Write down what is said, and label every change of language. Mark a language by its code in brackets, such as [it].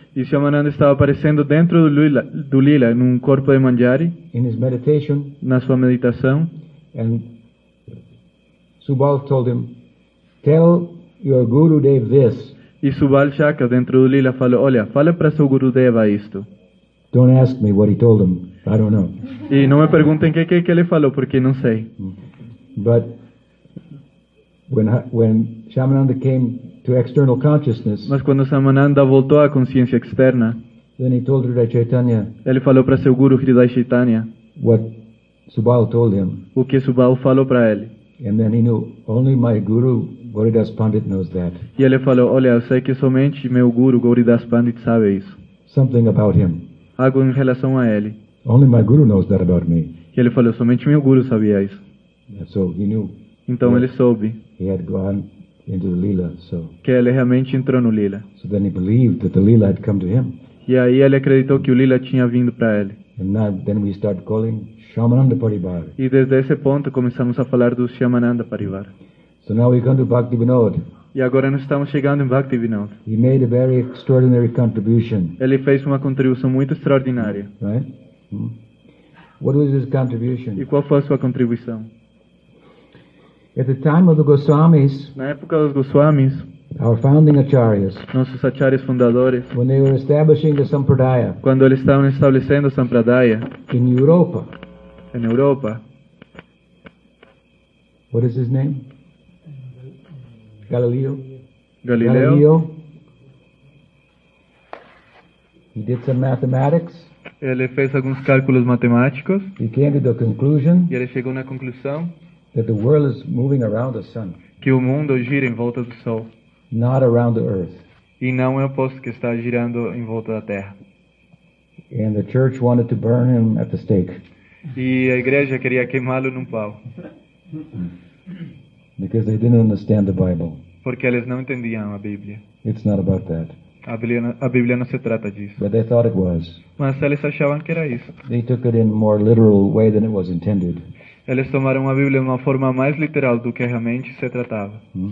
[pt] E Shyamananda estava aparecendo dentro do Lila, num corpo de Manjari. [en] In his meditation. [pt] Na sua meditação. [en] And Subal told him, "Tell your Gurudev this." [pt] E Subal Sakha dentro do Lila falou, olha, fala para seu Gurudev isto. [en] Don't ask me what he told him. I don't know. [pt] E não me perguntem que ele falou, porque não sei. [en] But when Shyamananda came to external consciousness, [pt] mas quando Shyamananda voltou à consciência externa, [en] then he told Hridaya Chaitanya, [pt] ele falou para seu guru Hridaya Chaitanya, [en] what Subal told him, [pt] o que Subal falou para ele. [en] And then he knew, only my guru Goridas Pandit knows that. [pt] E ele falou, olha, eu sei que somente meu guru Goridas Pandit sabe isso. [en] Something about him. [pt] Algo em relação a ele. [en] Only my guru knows that about me. [pt] E ele falou, somente meu guru sabia isso. [en] And so he knew. [pt] Então ele soube. [en] He had gone into the Lila, so. [pt] Que ele realmente entrou no Lila. [en] So then he believed that the Lila had come to him. [pt] E aí ele acreditou que o Lila tinha vindo para ele. [en] And now, then we start calling Shyamananda Parivar. [pt] E desde esse ponto começamos a falar do Shyamananda Parivar. [en] So now we come to Bhakti Vinod. [pt] E agora nós estamos chegando em Bhakti Vinod. [en] He made a very extraordinary contribution. [pt] Ele fez uma contribuição muito extraordinária. [en] Right? Hmm. What was his contribution? [pt] E qual foi a sua contribuição? [en] At the time of the Goswamis, [pt] na época dos Goswamis, [en] our founding acharyas, [pt] nossos acharyas fundadores, [en] when they were establishing the Sampradaya, [pt] quando eles estavam estabelecendo a Sampradaya, [en] in Europa, [pt] em Europa, [en] what is his name? Galileo. [pt] Galileo. [en] Galileo. He did some mathematics. [pt] Ele fez alguns cálculos matemáticos. [en] He came to the conclusion. [pt] E ele chegou na conclusão. [en] That the world is moving around the sun. [pt] Que o mundo gira em volta do sol. [en] Not around the earth. [pt] E não é o oposto, que está girando em volta da terra. [en] And the church wanted to burn him at the stake. [pt] E a igreja queria queimá-lo num pau. [en] Because they didn't understand the Bible. [pt] Porque eles não entendiam a Bíblia. [en] It's not about that. [pt] A Bíblia não se trata disso. [en] But they thought it was. [pt] Mas eles achavam que era isso. [en] They took it in a more literal way than it was intended. [pt] Eles tomaram a Bíblia de uma forma mais literal do que realmente se tratava.